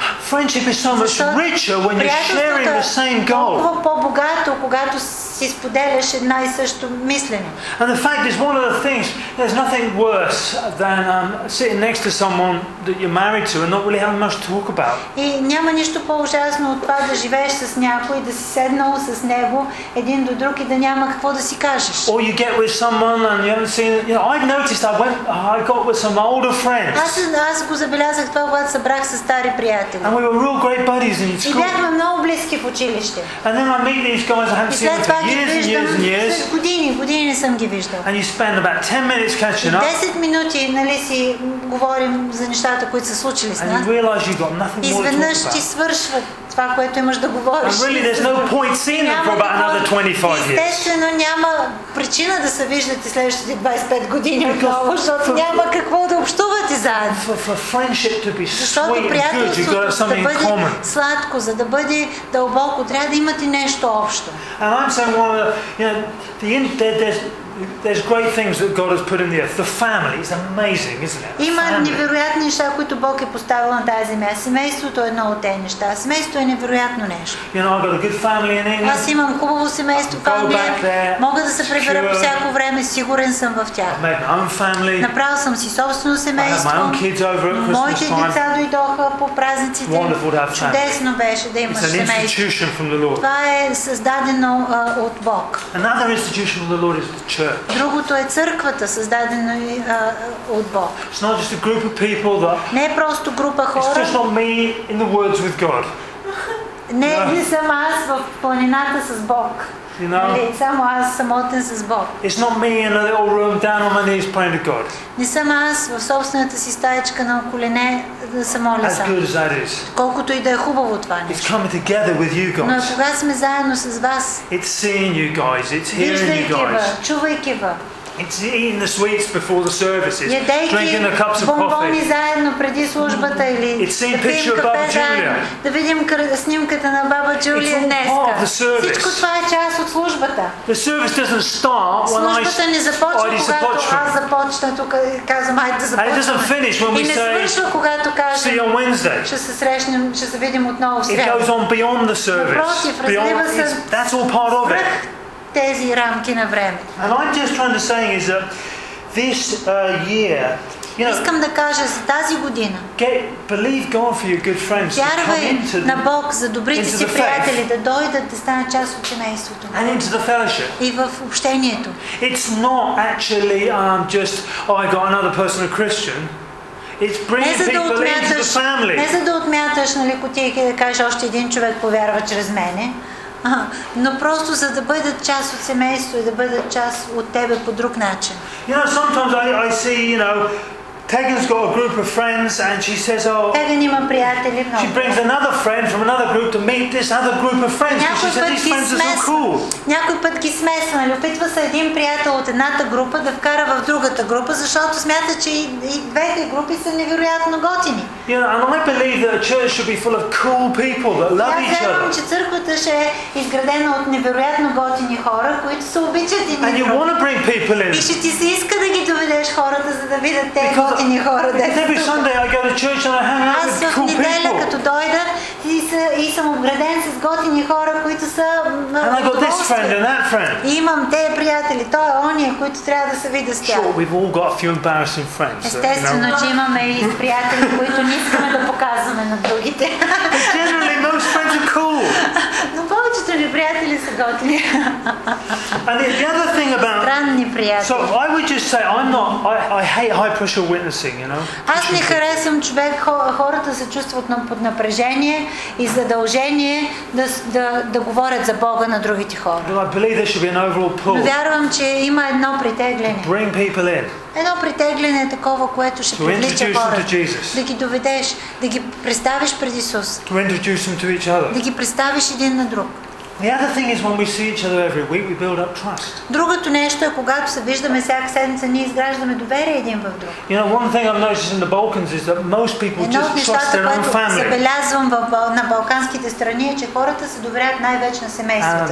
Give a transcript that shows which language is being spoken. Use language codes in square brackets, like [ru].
[en] Friendship is so much richer when you're sharing the same goal. [bg] Толкова по-богато, когато си споделяш една и също мислене. [en] And the fact is, one of the things, there's nothing worse than sitting next to someone that you're married to and not really having much to talk about. [bg] И няма нищо по-ужасно от това да живееш с някой, да си седнал с него един до друг и да няма какво да си кажеш. [en] Or you get with someone and you haven't seen, you know, I've noticed I got with some older friends. [bg] Аз го забелязах това, когато събрах с стари приятели. [en] And we were real great buddies in school. [bg] И бяхме много близки в училище. [en] And then I meet these guys I haven't seen for years and years and years. [bg] Години не съм ги виждал. [en] And you spend about 10 minutes catching up. [bg] 10 минути, нали, си говорим за нещата, които са случили с нас. [en] And you realize you've got nothing more to talk about. [bg] Изведнъж ти свършва това, което имаш да говориш. [en] And really, there's no point seeing them for about another 25 years. [bg] Естествено, няма причина да се виждате следващите 25 години отново, защото няма какво да общувате заедно. [en] For friendship to be sweet and good, you've got something in common. [bg] Сладко, за да бъде дълбоко, трябва да имате нещо общо. [en] And I'm saying, well, there's great things that God has put in the earth. The family is amazing, isn't it? [bg] Има невероятни неща, които Бог е поставил на тази земя. Семейството е едно от тези неща. Семейството е невероятно нещо. [en] You know, I've got a good family in England. [bg] Аз имам хубаво семейство в Англия. Мога да се прибера по всяко време, сигурен съм в тях. [en] I've made my own family. [bg] Направил съм си собствено семейство. [en] I have my own kids over at Christmas time. [bg] Моите деца дойдоха по празниците. [en] Wonderful to have family. [bg] Чудесно беше да имаш семейство. [en] It's an institution from the Lord. [bg] Това е създадено от Бог. [en] Another institution from the Lord is the church. [bg] Другото е църквата, създадена от Бог. [en] It's not just a group of people that. [bg] Не е просто група хора. [en] It's just not me in the woods with God. [bg] Не съм аз в планината с Бог. [en] You know? [bg] Само аз самотен с Бог. [en] It's not me in a little room down on my knees praying to God. [bg] Не съм аз в собствената си стаечка на колене да се моля сам. [en] As good as that is. [bg] Колкото и да е хубаво това нещо. [en] It's coming together with you guys. [bg] Но кога сме заедно с вас. [en] It's seeing you guys. It's hearing you guys. [bg] Чувайки ви. [en] It's eating the sweets before the services, [bg] Ядейки [en] drinking the cups of coffee. [bg] Заедно преди службата или [en] it's seeing a picture of Baba Julia. [bg] Да видим снимката на Баба Джулия днес. [en] It's all part of the service. [bg] Всичко това е част от службата. [en] The service doesn't start when [bg] службата не започва, когато аз започна тук и казвам, айде да започнем. [en] It doesn't finish when we say, see you on Wednesday. [bg] Ще се срещнем, ще се видим отново в сряда. [en] It goes on beyond the service. Beyond, that's all part of it. [bg] Тези рамки на време. [en] And I'm just trying to say is that this year, you know, [bg] искам да кажа за тази година. [en] Believe God for your good friends. [bg] Вярвай на Бог за добрите си приятели да дойдат да станат част от семейството. [en] And into the fellowship. [bg] И в общението. [en] It's not actually just I got another person a Christian. It's bringing people into the family. [bg] Не за да отмяташ, нали, кутийки да кажеш още един човек повярва чрез мене. Но просто за да бъдат част от семейство и да бъдат част от тебе по друг начин. [en] You know, sometimes I see, you know, Tegan's got a group of friends and she says, oh, [bg] Tegan има приятели много. [en] She brings another friend from another group to meet this other group of friends. She said these friends are so cool. [bg] Някой път ги смесва, опитва се един приятел от едната група да вкара в другата група, защото смята, че и двете групи са невероятно готини. [en] You know, and I believe that a church should be full of cool people that love each other. [bg] Аз вярвам, че църквата ще е изградена от невероятно готини хора, които се обичат един друг. [en] And you want to bring people in. [bg] И ще ти се иска да ги доведеш хората, за да видят те. [en] Every Sunday I go to church and I hang out with cool people. [bg] Като дойда и съм обграден с готини хора, които са. [en] And I got this friend and that friend. [bg] И имам те приятели, то е ония, които трябва да се видя с тях. [en] Sure, we've all got a few embarrassing friends. [bg] Естествено, че имаме и приятели, които не искаме да показваме на другите. [en] Generally, most friends are cool. [bg] Но повечето ни приятели са готини. [en] And the other thing about [bg] странни приятели. [en] So I would just say I hate high pressure witnessing, you know. [bg] Аз не харесвам човек, хората се чувстват под напрежение и задължение да говорят за Бога на другите хора. [en] But I believe there should be an overall pull. [bg] Но вярвам, че има едно притегляне. [en] Bring people in. [bg] Едно притегляне е такова, което ще привлича хората. Да ги доведеш, да ги представиш пред Исус. [en] To introduce them to each other. [bg] Да ги представиш един на друг. [en] The other thing is when we see each other every week, we build up trust. [bg] Другото нещо е когато се виждаме всяка седмица, ние изграждаме доверие един в друг. [en] You know, one thing I've noticed in the Balkans is that most people just trust their own family. [bg] Забелязвам на балканските страни, че хората се доверят най-вече на семейството.